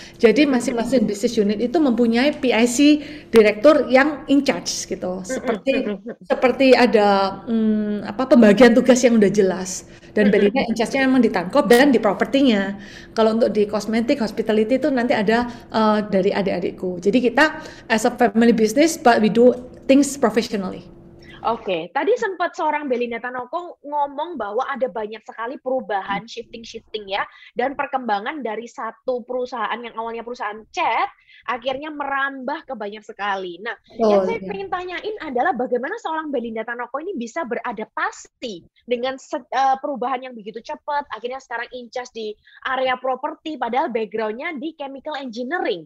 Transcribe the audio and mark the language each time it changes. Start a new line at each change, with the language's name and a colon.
Indonesian: Jadi masing-masing business unit itu mempunyai PIC direktur yang in charge gitu. Seperti seperti ada apa pembagian tugas yang udah jelas. Dan belinya in charge-nya emang Titankop dan di propertinya. Kalau untuk di cosmetic, hospitality itu nanti ada dari adik-adikku. Jadi kita
English: as a family business, but we do things professionally.
Indonesian: Oke, okay. Tadi sempat seorang Belinda Tanoko ngomong bahwa ada banyak sekali perubahan, shifting-shifting ya, dan perkembangan dari satu perusahaan yang awalnya perusahaan cat, akhirnya merambah ke banyak sekali. Nah, yang saya ingin tanyain adalah bagaimana seorang Belinda Tanoko ini bisa beradaptasi dengan perubahan yang begitu cepat, akhirnya sekarang in charge di area properti, padahal background-nya di chemical engineering.